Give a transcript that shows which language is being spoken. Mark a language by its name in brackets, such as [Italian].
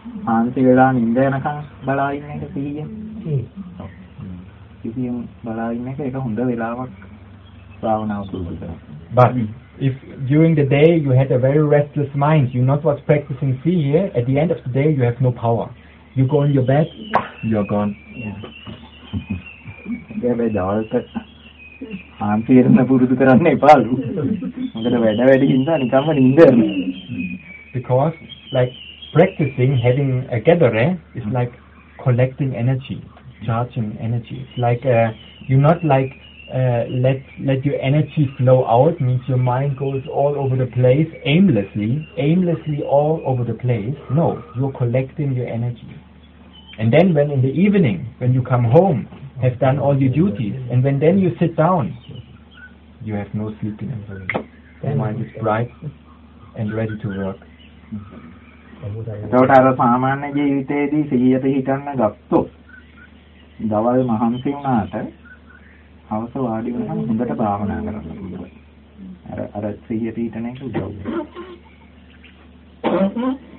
[Sinhala] හාන්සි වෙලා නිඳ යනකම් බලා ඉන්න එක සීය. ඒක. ඉතින් බලා ඉන්න එක ඒක හොඳ වෙලාවක් භාවනාව පුරුදු කරන්න. [English] But if during the day you had a very restless mind, you not was practicing sīya, at the end of the day you have no power. You go in your bed, you're gone. Yeah. [Sinhala] ගමේ දවල්ට හාන්සි වෙන පුරුදු කරන්න එපාලු. මගද වැඩ වැඩි හින්දා නිකම්ම නිඳන. [English] Because like practicing having a gathering is like collecting energy, charging energy. It's like you not let your energy flow out means your mind goes all over the place aimlessly all over the place. No, you're collecting your energy. And then when in the evening when you come home, have done all your duties and when then you sit down, you have no sleeping energy. Your mind is bright and ready to work. [Sinhala] එතකොට අර සාමාන්‍ය ජීවිතයේදී සිහිය පිහිටන්න ගත්තොත් දවල් මහන්සි වුණාට හවස වාඩි වෙනකම් හොඳට භාවනා කරන්න ඕනේ. අර සිහිය පිහිටන එක උදව් වෙනවා.